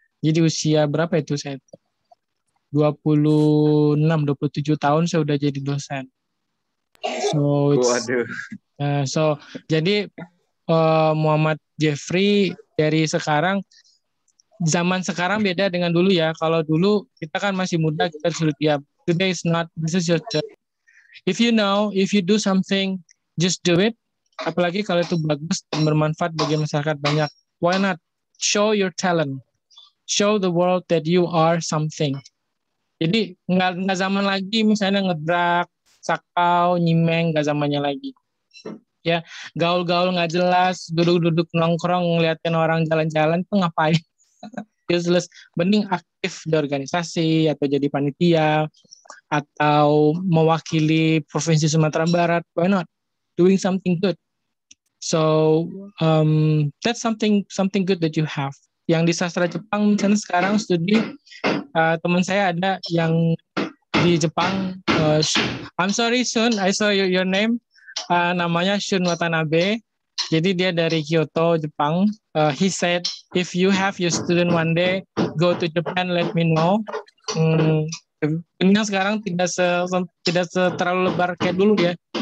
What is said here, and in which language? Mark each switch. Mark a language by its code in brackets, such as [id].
[id] Jadi usia berapa itu saya? 26, 27 tahun saya sudah jadi dosen. So, Muhammad Jeffrey dari sekarang, zaman sekarang beda dengan dulu ya. Kalau dulu kita kan masih muda, kita sulit ya. [en] Today is not, this is your turn. If you know, if you do something, just do it. [id] Apalagi kalau itu bagus dan bermanfaat bagi masyarakat banyak. [en] Why not? Show your talent. Show the world that you are something. [id] Jadi, nggak zaman lagi misalnya ngedrak, sakau, nyimeng, nggak zamannya lagi. Ya, gaul-gaul nggak jelas, duduk-duduk nongkrong, ngeliatin orang jalan-jalan, itu ngapain? Useless. Mending aktif di organisasi, atau jadi panitia, atau mewakili Provinsi Sumatera Barat. [en] Why not? Doing something good. So, that's something good that you have. [id] Yang di sastra Jepang, misalnya sekarang studi, teman saya ada yang di Jepang, [en] I'm sorry Shun, I saw your name, [id] namanya Shun Watanabe, jadi dia dari Kyoto, Jepang. [en] He said, if you have your student one day, go to Japan, let me know. [id] Dunia sekarang tidak terlalu lebar kayak dulu ya.